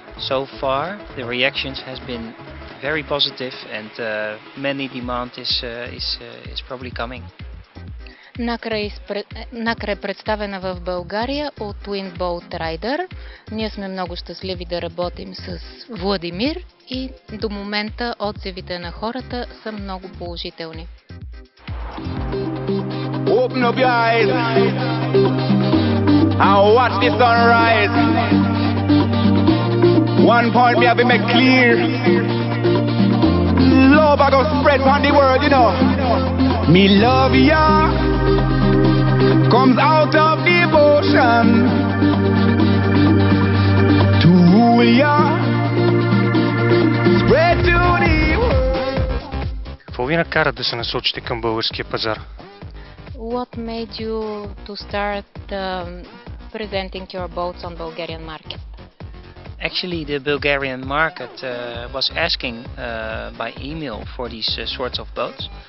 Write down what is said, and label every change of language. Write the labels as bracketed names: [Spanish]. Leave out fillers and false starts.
[English] So far the reactions has been very positive and many demand is probably coming. [Bulgarian] Nacra е представена в България от Windboat Rider. Ние сме много щастливи да работим с Владимир и до момента отзивите на хората са много положителни. [English] Open up your eyes and watch the sunrise. One point me have made clear. Love I go spread on the world, you know. Me love ya comes out of devotion. To rule ya, spread to the world. [Bulgarian] Какво ви накара да се насочите към българския пазар? [English] What made you to start presenting your boats on Bulgarian market? Actually, the Bulgarian market was asking by email for these sorts of boats.